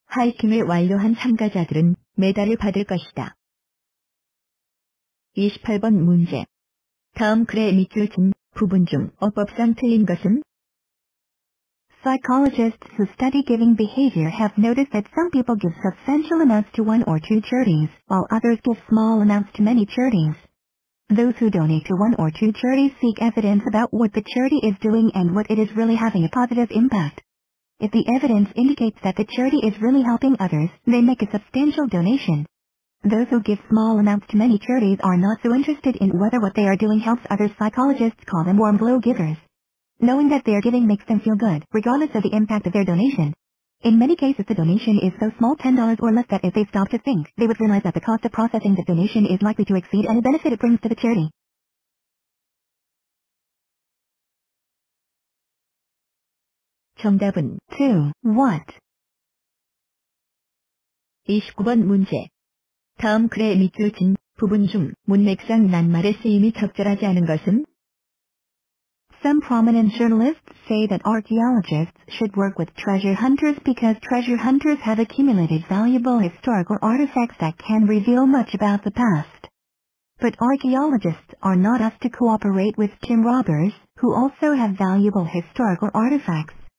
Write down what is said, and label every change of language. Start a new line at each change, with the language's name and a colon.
Korean: 하이킹을 완료한 참가자들은 메달을 받을 것이다. 28번 문제. 다음 글의 밑줄 친 부분 중 어법상 틀린 것은?
English: Psychologists who study giving behavior have noticed that some people give substantial amounts to one or two charities, while others give small amounts to many charities. Those who donate to one or two charities seek evidence about what the charity is doing and what it is really having a positive impact. If the evidence indicates that the charity is really helping others, they make a substantial donation. Those who give small amounts to many charities are not so interested in whether what they are doing helps others. Psychologists call them warm glow givers. Knowing that they are giving makes them feel good, regardless of the impact of their donation. In many cases, the donation is so small, $10 or less, that if they stop to think, they would realize that the cost of processing the donation is likely to exceed any benefit it brings to the charity.
Korean: 정답은
English: 2. What?
Korean: 29번 문제. 다음 글의 밑줄 친 부분 중 문맥상 낱말의 쓰임이 적절하지 않은 것은?
English: Some prominent journalists say that archaeologists should work with treasure hunters because treasure hunters have accumulated valuable historical artifacts that can reveal much about the past. But archaeologists are not asked to cooperate with tomb robbers, who also have valuable historical artifacts.